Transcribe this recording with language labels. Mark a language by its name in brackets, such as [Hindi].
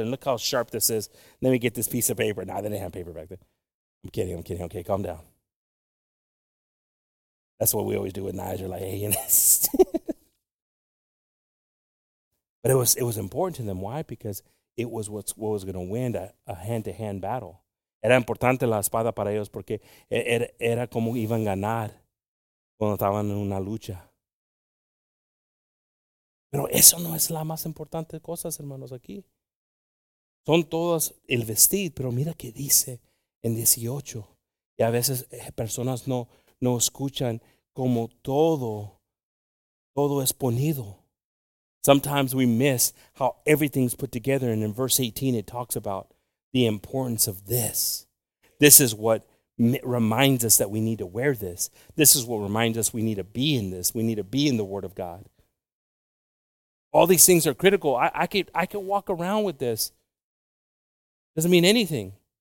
[English] And look how sharp this is. Let me get this piece of paper. Nah, they didn't have paper back then. I'm kidding. Okay, calm down. That's what we always do with knives. We're like, hey, you know. But it was important to them. Why? Because it was what was going to win a hand-to-hand battle. [Spanish] Era importante la espada para ellos porque era como iban a ganar cuando estaban en una lucha. Pero eso no es la más importante cosas, hermanos, aquí. Son todas el vestir, pero mira que dice en 18. Y a veces personas no escuchan como todo es ponido. [English] Sometimes we miss how everything's put together. And in verse 18, it talks about the importance of this. This is what reminds us that we need to wear this. This is what reminds us we need to be in this. We need to be in the Word of God. All these things are critical. I could walk around with this. Doesn't mean anything.